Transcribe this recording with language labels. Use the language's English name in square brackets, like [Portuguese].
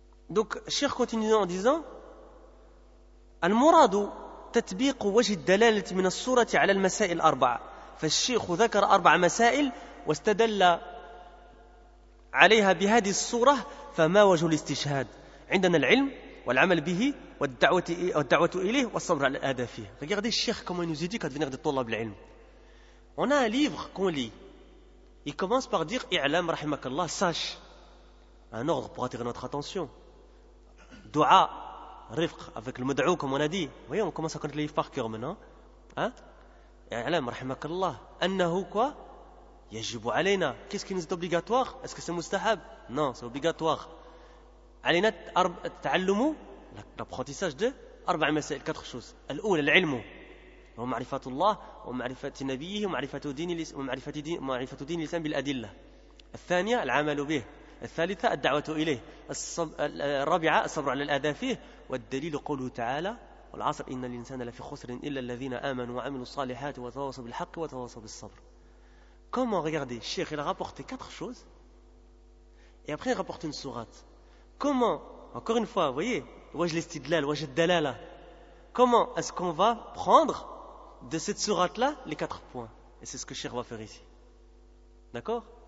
[French] Donc, Cheikh continue en disant [Arabic] المراد تطبيق وجه الدلالة من السورة على المسائل الأربعة فالشيخ ذكر أربع مسائل واستدل عليها بهذه السورة فما وجه الاستشهاد عندنا العلم والعمل به والدعوة إليه والصبر على الأداء فيه. [French] Regardez Cheikh comment il nous dit qu'il va venir des طلاب العلم. On a un livre qu'on lit. Il commence par dire [Arabic] إعلام رحمك الله [French] sache, un ordre pour attirer notre attention. Dua, rifq, avec le mud'ou, comme on a dit. Vous voyez, on commence à connaître les livres par cœur maintenant. [Arabic] Hein? I'alam, rahimakallah. Annahu [French] quoi? [Arabic] Yajibu alayna. [French] Qu'est-ce qui nous est obligatoire? Est-ce que c'est mustahab? Non, c'est obligatoire. [Arabic] Alayna ta'allumu, [French] l'apprentissage de arba' masail, quatre choses. [Arabic] Al-oul, al-ilmu. Wa ma'rifatullah, wa ma'rifati nabiyyihi, wa ma'rifatu dini l'islam bil-adilla. Al-thaniya, al-amalu bih. الثالثة الدعوة إليه الرابعة الصبر على الأذى فيه والدليل قوله تعالى والعصر إن الإنسان لفي خسر إلا الذين آمنوا وعملوا الصالحات وتواصوا بالحق وتواصوا بالصبر. [French] Comment regardez, Cheikh il a rapporté quatre choses et après il rapporte une sourate. Comment, encore une fois, voyez, wajh l'istidlal, wajh d'dalala, comment est-ce qu'on va prendre de cette sourate là les quatre points? Et c'est ce que Cheikh va faire ici. D'accord?